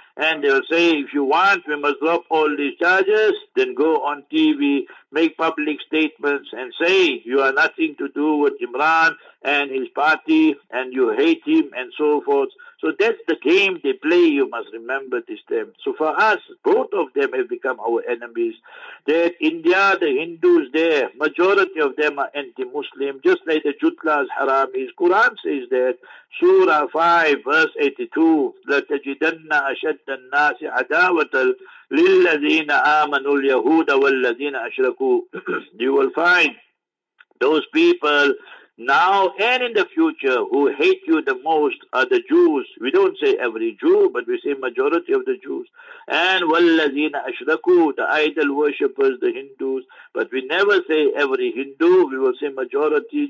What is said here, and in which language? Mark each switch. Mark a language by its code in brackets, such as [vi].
[en] And they'll say, if you want, we must drop all these charges, then go on TV, make public statements and say, you are nothing to do with Imran and his party and you hate him and so forth. So that's the game they play, you must remember this time. So for us, both of them have become our enemies. That India, the Hindus there, majority of them are anti-Muslim, just like the Jutlas, Haramis. [ar] Quran says that, Surah 5, verse 82, لَتَجِدَنَّ أَشَدَّ النَّاسِ عَدَاوَةً لِلَّذِينَ آمَنُوا الْيَهُودَ وَالَّذِينَ أَشْرَكُوا. [en] You will find those people now and in the future who hate you the most are the Jews. We don't say every Jew, but we say majority of the Jews. And وَالَّذِينَ أَشْرَكُوا, the idol worshippers, the Hindus. But we never say every Hindu, we will say majority.